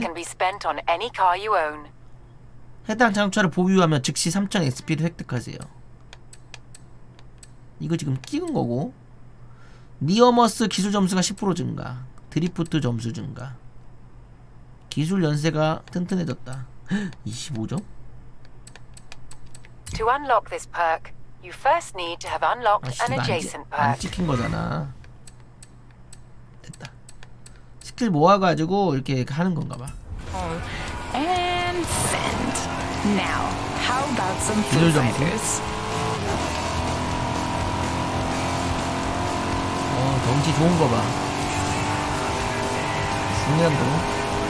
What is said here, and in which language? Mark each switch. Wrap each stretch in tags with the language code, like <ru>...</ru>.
<en>Can be spent on any car you own.</en> <ko>해당 장차를 보유하면 즉시 3000 SP를 획득하세요. 이거 지금 끼운 거고. 니어머스 기술 점수가 10% 증가. 드리프트 점수 증가. 기술 연세가 튼튼해졌다. 25점?</ko> <en>To unlock this perk, you first need to have unlocked an adjacent perk.</en> <ko>안 찍힌 거잖아. 됐다. 스킬 모아가지고 이렇게 하는 건가 봐.</ko> <en>And send. Now, how about some Foo Fighters?</en> <ko>어, 경치 좋은 거 봐. 중요한 거.</ko>